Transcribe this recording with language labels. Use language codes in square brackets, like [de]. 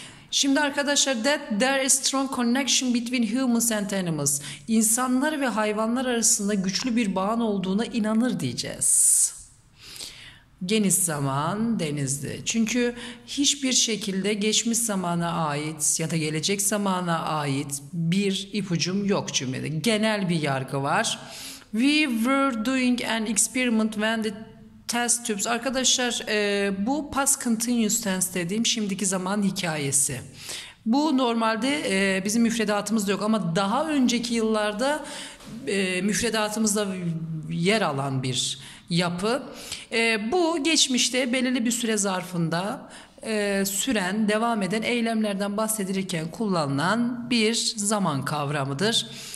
[tr] Şimdi arkadaşlar, [en] that there is strong connection between humans and animals. [tr] İnsanlar ve hayvanlar arasında güçlü bir bağın olduğuna inanır diyeceğiz. Geniş zaman Denizli. Çünkü hiçbir şekilde geçmiş zamana ait ya da gelecek zamana ait bir ipucum yok cümlede. Genel bir yargı var. [en] We were doing an experiment when the test tubes... [tr] Arkadaşlar bu past continuous tense dediğim şimdiki zaman hikayesi. Bu normalde bizim müfredatımızda yok ama daha önceki yıllarda müfredatımızda yer alan bir yapı. Bu geçmişte belirli bir süre zarfında süren, devam eden eylemlerden bahsedilirken kullanılan bir zaman kavramıdır.